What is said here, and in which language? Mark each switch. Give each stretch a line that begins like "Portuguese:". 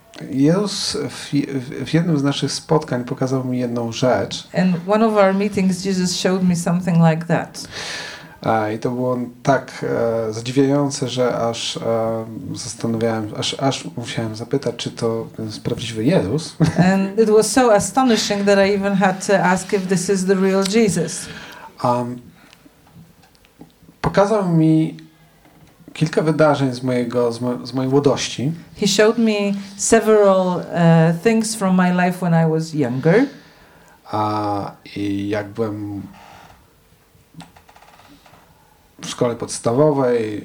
Polish: Jezus w jednym z naszych spotkań pokazał mi jedną rzecz.
English: And one of our meetings Jesus showed me something like that.
Polish: I to było tak zadziwiające, że aż zastanawiałem, aż musiałem zapytać, czy to jest prawdziwy Jezus.
English: And it was so astonishing that I even had to ask if this is the real Jesus.
Polish: Pokazał mi kilka wydarzeń z mojej młodości.
English: He showed me several things from my life when I was younger.
Polish: I jak byłem w szkole podstawowej.